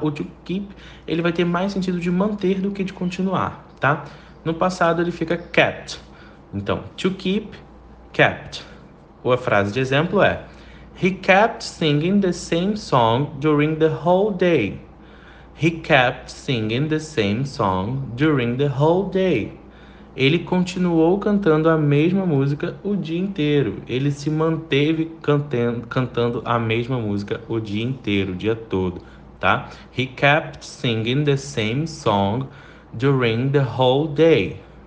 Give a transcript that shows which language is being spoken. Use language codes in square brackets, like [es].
[pt] O to keep, ele vai ter mais sentido de manter do que de continuar, tá? No passado, ele fica kept. Então, to keep kept. Ou a frase de exemplo é: [en] He kept singing the same song during the whole day. He kept singing the same song during the whole day. [pt] Ele continuou cantando a mesma música o dia inteiro. Ele se manteve cantando a mesma música o dia inteiro, o dia todo, tá? [en] He kept singing the same song during the whole day.